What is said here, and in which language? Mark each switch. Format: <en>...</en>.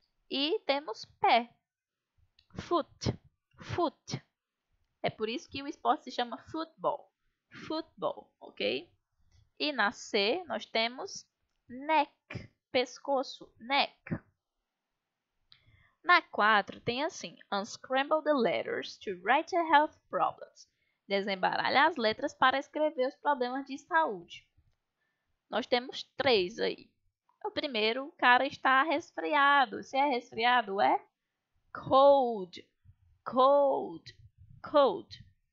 <pt>E temos pé. Foot. Foot. É por isso que o esporte se chama futebol. Futebol, ok? E na C nós temos neck, pescoço. Neck. Na 4 tem assim:</pt> <en>unscramble the letters to write your health problems.</en> <pt>Desembaralha as letras para escrever os problemas de saúde. Nós temos 3 aí. O primeiro, o cara está resfriado. Se é resfriado, é cold. Cold. Cold.</pt>